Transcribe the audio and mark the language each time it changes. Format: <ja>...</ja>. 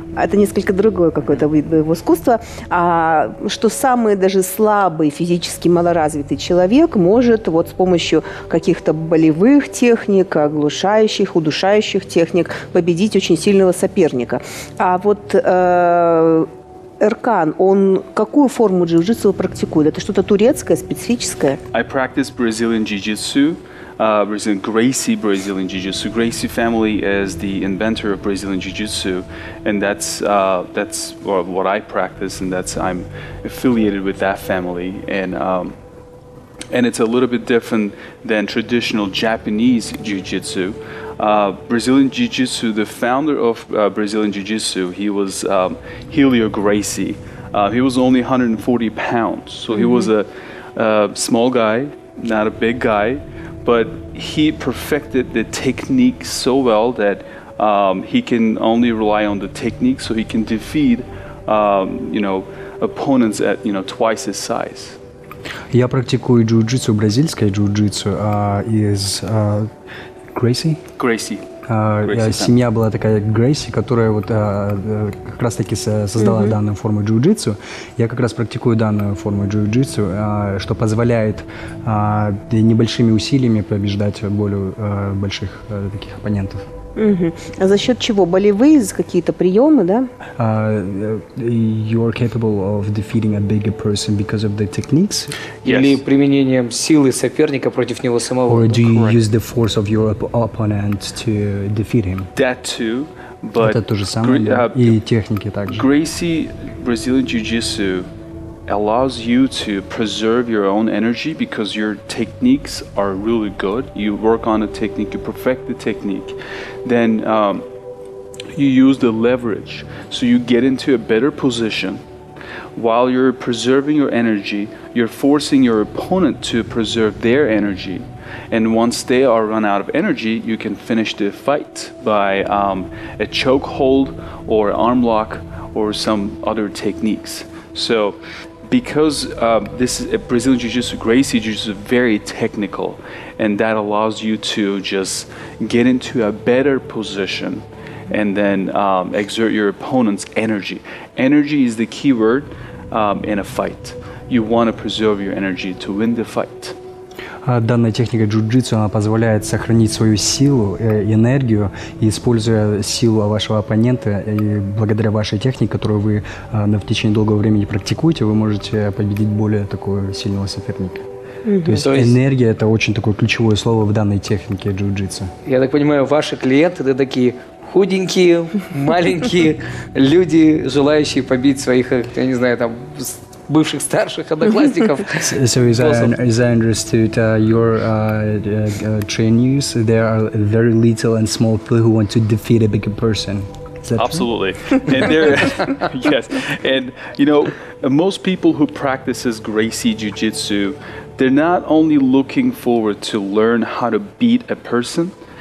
<ru>Это несколько другое какое-то искусство, что самый даже слабый, физически малоразвитый человек может вот с помощью каких-то болевых техник, оглушающих, удушающих техник победить очень сильного соперника. А вот Эркан, он какую форму джиу-джитсу практикует? Это что-то турецкое, специфическое?</ru> <en>I practice Brazilian jiu-jitsu. Brazilian Gracie Brazilian Jiu-Jitsu. Gracie family is the inventor of Brazilian Jiu-Jitsu, and that's what I practice, and that's I'm affiliated with that family. And And it's a little bit different than traditional Japanese jiu-jitsu. Brazilian jiu-jitsu, the founder of Brazilian jiu-jitsu, he was Helio Gracie. He was only 140 pounds, so he was a small guy, not a big guy, but he perfected the technique so well that he can only rely on the technique, so he can defeat opponents at twice his size.</en> <ru>Я практикую джиу-джитсу, бразильское джиу-джитсу, из Грейси. Грейси. Семья была такая Грейси, которая вот как раз таки создала данную форму джиу-джитсу. Я как раз практикую данную форму джиу-джитсу, что позволяет небольшими усилиями побеждать более больших таких оппонентов. А за счет чего? Болевые какие-то приемы, да?</ru> <en>You're capable of defeating a bigger person because of the techniques? Yes.</en> <ru>Или применением силы соперника против него самого?</ru> <en>Or do you use the force of your opponent to defeat him? That too, but</en> <ru>это то же самое, и техники также.</ru> <en>Gracie Brazilian Jiu-Jitsu allows you to preserve your own energy because your techniques are really good. You work on a technique, you perfect the technique, then you use the leverage, so you get into a better position. While you're preserving your energy, you're forcing your opponent to preserve their energy, and once they are run out of energy, you can finish the fight by a choke hold or arm lock or some other techniques. So because this is a Brazilian Jiu-Jitsu, Gracie Jiu-Jitsu is very technical, and that allows you to just get into a better position and then exert your opponent's energy. Energy is the key word in a fight. You want to preserve your energy to win the fight.</en> <ru>Данная техника джиу-джитсу, она позволяет сохранить свою силу, энергию, используя силу вашего оппонента, и благодаря вашей технике, которую вы в течение долгого времени практикуете, вы можете победить более такого сильного соперника. То есть энергия – это очень такое ключевое слово в данной технике джиу-джитсу. Я так понимаю, ваши клиенты – это такие худенькие, маленькие люди, желающие побить своих, я не знаю, там, бывших старших одноклассников.</ru> <en>So as I understood, your trainees, they are very little and small people who want to defeat a bigger person. Absolutely. And yes. And you know, most people who practice Gracie Jiu-Jitsu, they're not only looking forward to learn how to beat a person.</en>